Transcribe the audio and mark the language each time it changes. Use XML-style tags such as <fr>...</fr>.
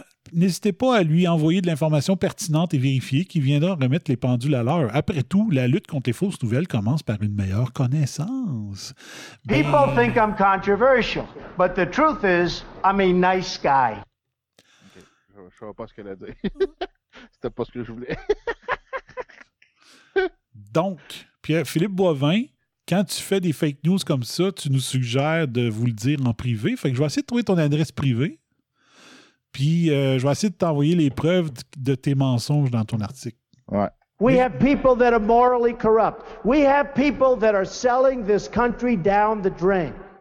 <fr>N'hésitez pas à lui envoyer de l'information pertinente et vérifiée qui viendra remettre les pendules à l'heure. Après tout, la lutte contre les fausses nouvelles commence par une meilleure connaissance.</fr> <en>People think I'm controversial, but the truth is, I'm a nice guy.</en> <fr>Okay. Je vois pas ce qu'elle a dit. C'était pas ce que je voulais. Donc, Pierre-Philippe Boivin, quand tu fais des fake news comme ça, tu nous suggères de vous le dire en privé. Fait que je vais essayer de trouver ton adresse privée. Puis je vais essayer de t'envoyer les preuves de tes mensonges dans ton article. Ouais.</fr> <en>We have people that are morally corrupt. We have people that are selling this country down the drain.</en>